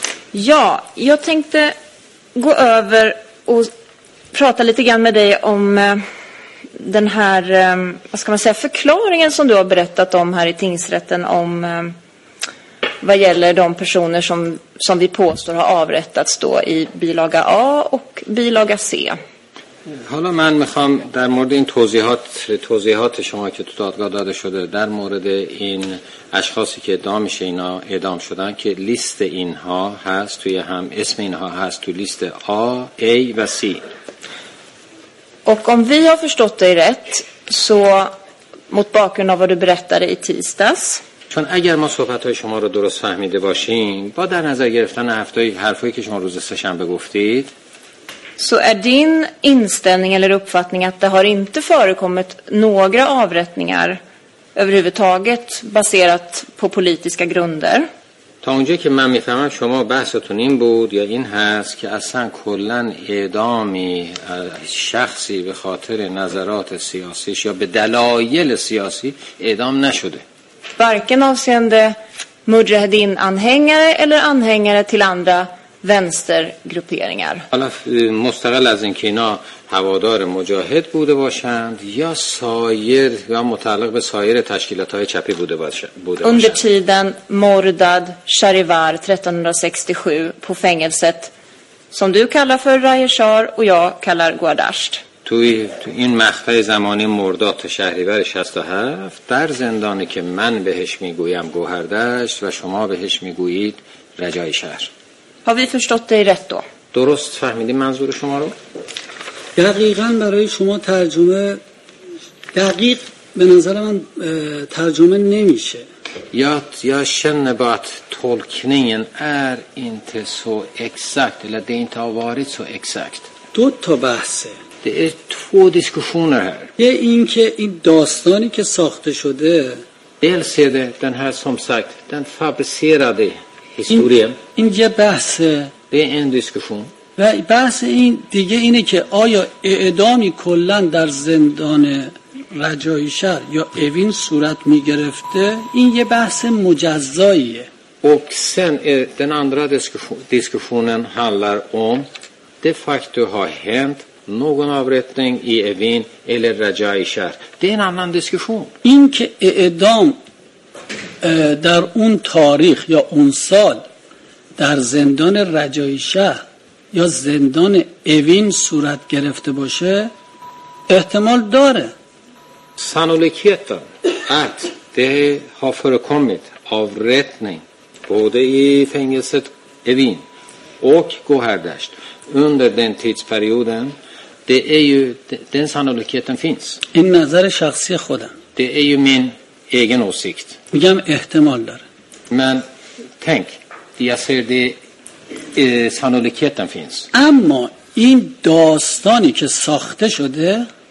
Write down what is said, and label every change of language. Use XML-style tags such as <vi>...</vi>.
<sv>Ja, jag tänkte gå över och prata lite grann med dig om den här, vad ska man säga, förklaringen som du har berättat om här i tingsrätten om vad gäller de personer som vi påstår har avrättats då i bilaga A och bilaga C.</sv> <fa>حالا من میخوام در مورد این توضیحات شما که تو دادگاه داده شده در مورد این اشخاصی که اعدام میشه اینا اعدام شدن که لیست اینها هست توی هم اسم اینها هست تو لیست A, A و C.</fa> <sv>Och om vi har förstått dig rätt så mot bakgrund av vad du berättade i tisdags.</sv> <fa>چون اگر ما صحبت های شما رو درست فهمیده باشیم با در نظر گرفتن هفته حرفایی که شما روز سه‌شنبه گفتید.</fa> <sv>Så är din inställning eller uppfattning att det har inte förekommit några avrättningar överhuvudtaget baserat på politiska grunder?</sv> <fa>تا اونجایی که من میفهمم شما بحثتون این بود یا این هست که اصلا کلن اعدامی شخصی به خاطر نظرات سیاسیش یا به دلایل سیاسی اعدام نشده.</fa> <sv>Varken avseende mujahedin anhängare eller anhängare till andra vänstergrupperingar.</sv> <fa>حالا مستقل از اینکه اینا هوادار مجاهد بوده باشند یا سایر یا متعلق به سایر تشکیلات های چپی بوده باشند.</fa> <sv>Under tiden mordad Charivar 1367 på fängelset som du kallar för Rajeshar och jag kallar Gwardasht.</sv> <fa>تو این مقطع زمانی مرداد شهریور 67 در زندانی که من بهش میگویم گوهردشت و شما بهش میگویید رجای شهر.</fa> <sv>Har vi förstått dig rätt då?</sv> <fa>درست فهمیدی منظور شما رو؟ دقیقاً برای شما ترجمه دقیق به نظر من ترجمه نمیشه.</fa> <sv>یا känner bara att tolkningen är inte så exakt eller det inte har varit så exakt.</sv> <fa>دو تا بحثه.</fa> <en>There are two discussions here.</en> <fa>این که این داستانی که ساخته شده</fa> <sv>dels är det den här som sagt den fabricerade historien.</sv> <fa>این یه بحثه.</fa> <sv>Det är en diskussion.</sv> <fa>و بحث این دیگه اینه که آیا اعدامی کلن در زندان رجایی شهر یا اوین صورت میگرفته، این یه بحث مجزاییه.</fa> <sv>Och sen är den andra diskussionen handlar om det faktum har hänt någon avrättning i Evin eller Rajai Shahr. Det är en annan diskussion.</sv> <fa>این که اعدام در اون تاریخ یا اون سال در زندان رجایی شهر یا زندان اوین صورت گرفته باشه احتمال داره.</fa> <sv>Sannolikheten att det har förekommit avrättning både i fängelset Evin och Gohardasht under den tidsperioden, det är ju, den sannolikheten finns.</sv> <fa>این نظر شخصی خودم.</fa> <sv>Det är ju min egen åsikt.</sv> <fa>میگم احتمال داره.</fa> <sv>Men tänk, jag ser det, sannolikheten finns.</sv> <fa>اما این داستانی که ساخته شده،</fa>